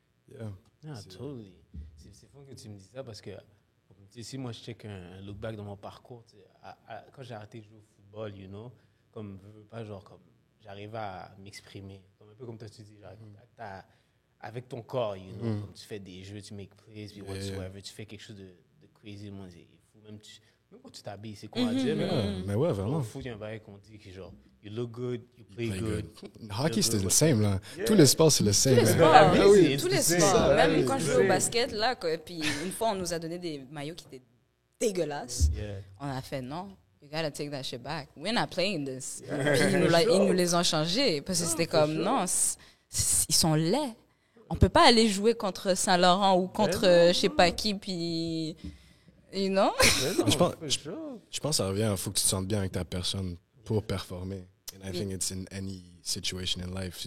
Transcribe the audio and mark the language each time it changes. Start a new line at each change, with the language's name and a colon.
English: Totally.
French: C'est fun que tu me dis ça parce que si moi je check un look back dans mon parcours, quand j'ai arrêté de jouer au football,
English: you know,
French: comme pas genre comme j'arrive à m'exprimer, comme un peu comme toi tu dis, genre, avec ton corps, you know, comme tu fais des jeux, tu
English: make plays,
French: puis whatsoever, tu fais quelque chose de crazy, moi c'est fou, même quand tu t'habilles, c'est quoi à dire, mais ouais, vraiment. On fout un bail qu'on dit que genre.
English: You look good, you play good.
French: Hockey, c'est le same, là.
English: Yeah.
French: Tous les sports, c'est le same. Tous les sports, même quand je joue au basket, là, quoi, puis une fois, on nous a donné des maillots qui étaient dégueulasses.
English: Yeah.
French: On a fait, non,
English: you gotta take that shit back. We're not playing this. Yeah.
French: Puis ils nous les ont changés. Parce que c'était comme, non, ils sont laids. On peut pas aller jouer contre Saint-Laurent ou contre je sais pas qui, puis...
English: You know?
French: je pense que ça revient, il faut que tu te sentes bien avec ta personne. Pour performer.
English: And I think it's in any situation in life.